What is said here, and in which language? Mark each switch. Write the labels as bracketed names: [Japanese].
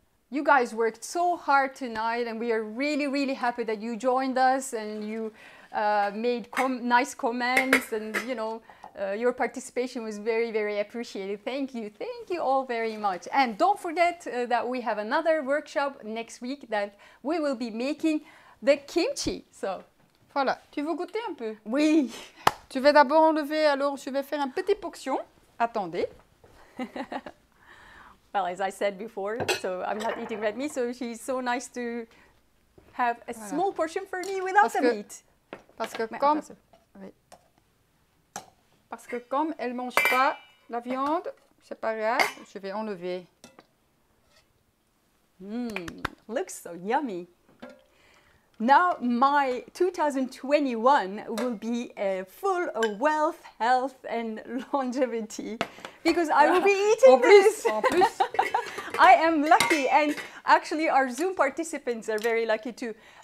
[English] You guys worked so hard tonight, and we are really, really happy that you joined us and you made nice comments. And you know, your participation was very, very appreciated. Thank you. Thank you all very much. And don't forget that we have another workshop next week that we will be making the kimchi. So, [French] voilà. Tu veux goûter un peu? Oui. Tu veux d'abord enlever, alors je vais faire un petit portion. Attendez. [English] Well, as I said before, so I'm not eating red meat, so she's so nice to have a small portion for me without the meat. [French] Parce que comme elle mange pas la viande, c'est pas grave, je vais enlever. [English] Looks so yummy. Now my 2021 will be full of wealth, health and longevity because I will be eating this. I am lucky and actually our Zoom participants are very lucky too.